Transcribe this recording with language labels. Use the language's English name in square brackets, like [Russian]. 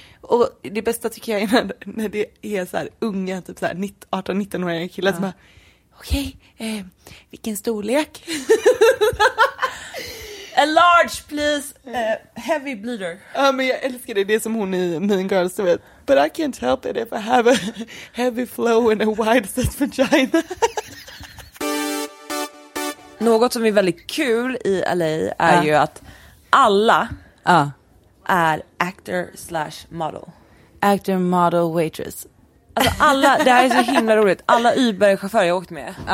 [Swedish] Och det bästa tycker jag är när det är så här unga, typ så här 18-19-åriga killar, ja, som bara, okej, vilken storlek? [English] A large, please. Heavy bleeder. [Swedish] Ja, men jag älskar det. Det är som hon i Mean Girls, du vet. [English] But I can't help it if I have a heavy flow and a wide set vagina. [Swedish] Något som är väldigt kul i LA är ju att alla är actor/model. [English] Actor, model, waitress. [Swedish] Alltså alla, det här är så himla roligt. Alla Uber-chaufförer jag åkt med.